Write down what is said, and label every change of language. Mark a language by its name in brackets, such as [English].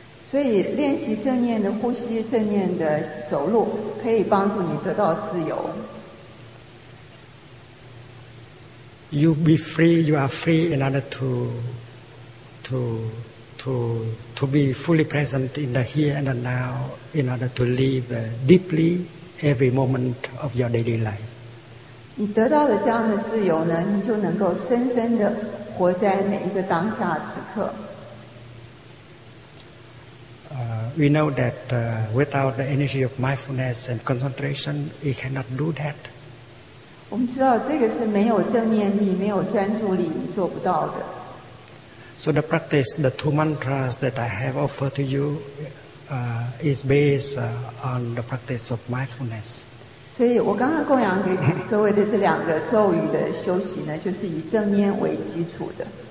[Chinese] 所以练习正念的呼吸、正念的走路，可以帮助你得到自由。 [English] You be free, you are free in order to be fully present in the here and the now, in order to live deeply every moment of your daily life. [Chinese] 你得到了这样的自由呢，你就能够深深的活在每一个当下此刻。 [English] We know that without the energy of mindfulness and concentration, we cannot do that. [Chinese] 我们知道这个是没有正念力、没有专注力，你做不到的。 [English] So the practice, the two mantras that I have offered to you, is based on the practice of mindfulness. [Chinese] 所以我刚刚供养给各位的这两个咒语的修习呢，就是以正念为基础的。